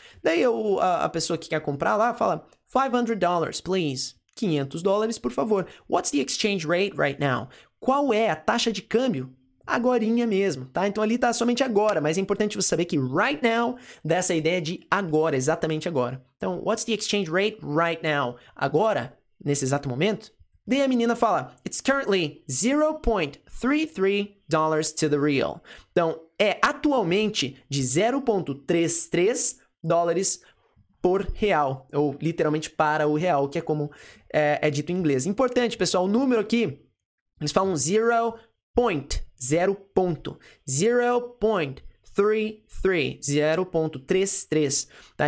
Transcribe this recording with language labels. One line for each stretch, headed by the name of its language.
Portuguese: Daí a pessoa que quer comprar lá fala,
English: $500, please.
Portuguese: 500 dólares, por favor.
English: What's the exchange rate right now?
Portuguese: Qual é a taxa de câmbio? Agorinha mesmo, tá? Então, ali tá somente agora, mas é importante você saber que right now dá essa ideia de agora, exatamente agora.
English: Então, what's the exchange rate right now?
Portuguese: Agora, nesse exato momento? Daí a menina fala,
English: it's currently $0.33 to the real.
Portuguese: Então, é atualmente de 0.33 dólares por real, ou literalmente para o real, que é como é dito em inglês. Importante, pessoal, o número aqui, eles falam 0.33, tá?